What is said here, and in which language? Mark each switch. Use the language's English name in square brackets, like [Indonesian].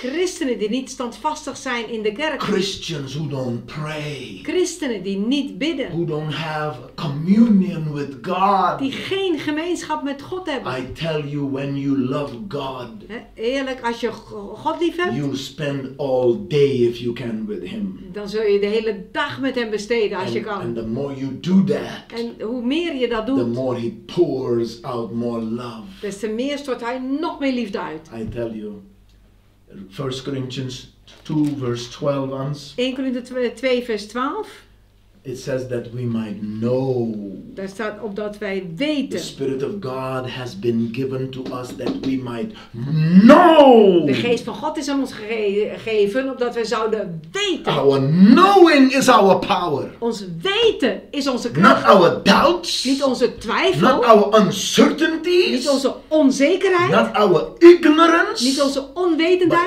[Dutch] Christenen die niet standvastig zijn in de kerk. [English] Christians who don't pray. [Dutch] Christenen die niet bidden. [English] Who don't have communion with God. [Dutch] Die geen gemeenschap met God hebben. [English] I tell you, when you love God, [Dutch] eerlijk, als je God lief hebt, [English] you spend all day if you can with him. [Dutch] Dan zul je de hele dag met hem besteden als je kan. [English] And the more you do that, [Dutch] en hoe meer je dat doet, [English] the more he pours out more love. [Dutch] Des te meer stort hij nog meer liefde uit. [English] I tell you, 1 Corinthians 2 verse 12 ons. [Dutch] 1 Corinthians 2 vers 12. [English] It says that we might know. [Dutch] Daar staat op dat wij weten. [English] The Spirit of God has been given to us that we might know. [Dutch] De Geest van God is aan ons gegeven opdat wij zouden weten. [English] Our knowing is our power. [Dutch] Ons weten is onze kracht. [English] Not our doubts. [Dutch] Niet onze twijfel. [English] Not our uncertainties. [Dutch] Niet onze onzekerheid. [English] Not our ignorance. [Dutch] Niet onze onwetendheid.